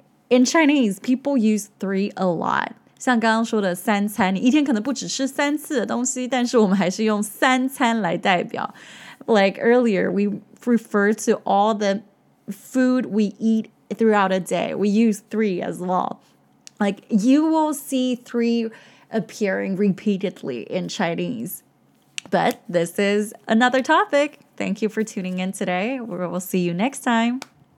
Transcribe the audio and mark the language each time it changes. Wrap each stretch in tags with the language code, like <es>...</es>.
<en>In Chinese, people use three a lot.</en> <zh>像刚刚说的三餐，你一天可能不只吃三次的东西，但是我们还是用三餐来代表。</zh> <en>Like earlier, we refer to all the food we eat throughout a day. We use three as well. Like you will see three appearing repeatedly in Chinese. But this is another topic. Thank you for tuning in today. We will see you next time.</en>